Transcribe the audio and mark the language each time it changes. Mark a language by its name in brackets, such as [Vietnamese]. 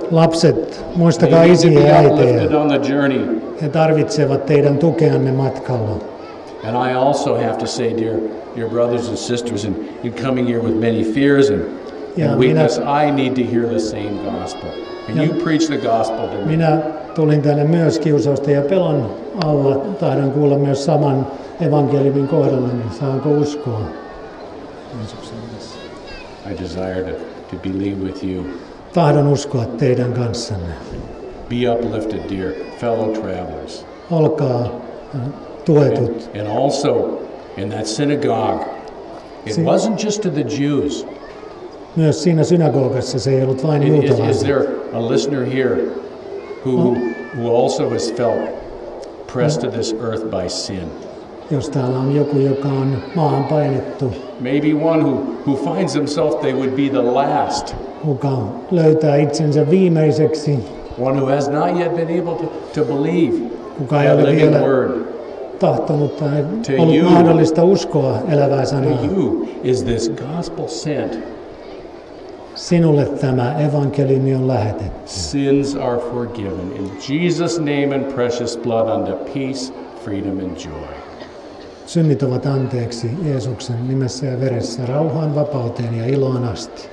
[Finnish] Lapset, muistakaa isiä ja äitejä. He tarvitsevat teidän tukeanne matkalla. [English] And I also have to say, dear brothers and sisters, and you coming here with many fears and weakness, I need to hear the same gospel. And you preach the gospel to me. [Finnish] Minä tulin tänne myös kiusausten ja pelon alla. Tahdon kuulla myös saman evankeliumin kohdalla, niin saanko uskoa? [English] I desire to believe with you. [Finnish] Tahdon uskoa teidän kanssanne. [English] Be uplifted, dear fellow travelers. [Finnish] Olkaa tuetut. [English] And also in that synagogue, it wasn't just to the Jews. [Finnish] Myös siinä synagogassa se ei ollut vain juutalaisille. [English] Is there a listener here who also has felt pressed to this earth by sin? [Finnish] Jos täällä on joku, joka on maahan painettu. [English] Maybe one who finds himself they would be the last. [Finnish] Joka löytää itsensä viimeiseksi. [English] One who has not yet been able to believe. [Finnish] Joka ei ole vielä tahtonut tai ollut mahdollista uskoa elävää sanaa. [English] To you is this gospel sent. [Finnish] Sinulle tämä evankeliumi on lähetetty. [English] Sins are forgiven in Jesus' name and precious blood unto peace, freedom and joy. [Finnish] Synnit ovat anteeksi Jeesuksen nimessä ja veressä rauhaan, vapauteen ja iloon asti.